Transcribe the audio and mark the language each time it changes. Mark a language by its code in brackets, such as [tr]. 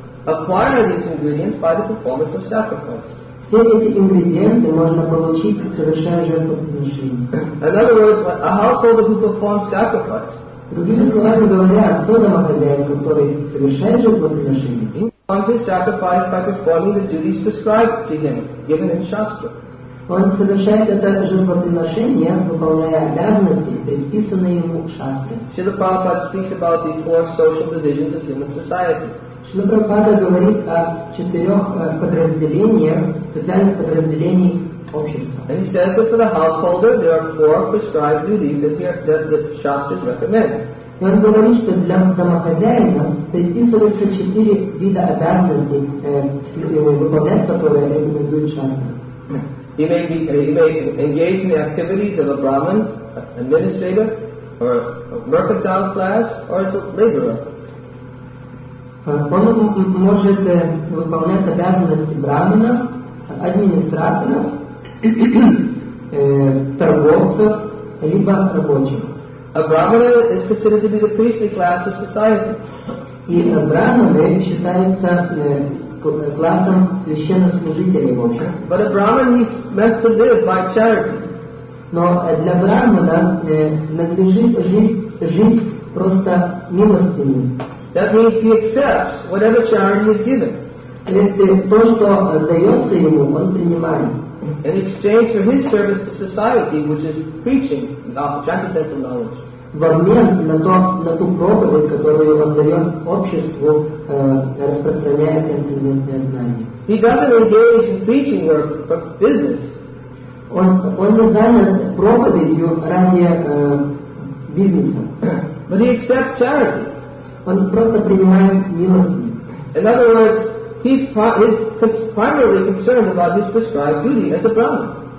[en] Acquire these ingredients by the performance of sacrifice. [ru] Все эти ингредиенты можно получить, совершая жертвоприношение. [en] In other words, a householder who performs sacrifice. [ru] Другими словами говоря, кто домохозяин, который совершает жертвоприношение? [en] He performs his sacrifice by performing the duties prescribed to him, given in Shastra. [ru] Он совершает это жертвоприношение, выполняя обязанности, предписанные ему в Шастре. [en] Srila Prabhupada speaks about the four social divisions of human society. [ru] Шрила Прабхупада говорит о четырех подразделениях, социальных подразделений общества. [en] And he says that for the householder there are four prescribed duties that the Shastras recommend. [ru] И он говорит, что для домохозяина предписываются четыре вида обязанностей, выполнять которые рекомендуют Шастры. [en] He may engage in the activities of a Brahmin, administrator, or a mercantile class, or as a laborer. [ru] Он может выполнять обязанности брахмана, администратора, торговцев, либо рабочих. [en] A brahmana is considered to be the priestly class of society. [ru] И брахманы считаются классом священнослужителей в общем. [en] But a brahman is meant to live by charity. [ru] Но для брахмана надлежит жить просто милостыми. [en] That means he accepts whatever charity is given. [ru] То, что дается ему, он принимает. [en] In exchange for his service to society, which is preaching transcendental knowledge. [ru] В обмен на ту проповедь, которую он дает обществу, распространяя трансцендентное знание. [en] He doesn't engage in preaching work, but business. [ru] Он не занят проповедью ради бизнеса. [en] But he accepts charity. [ru] Он просто принимает милости. [en] In other words, he's primarily concerned about his prescribed duty as a brahmin.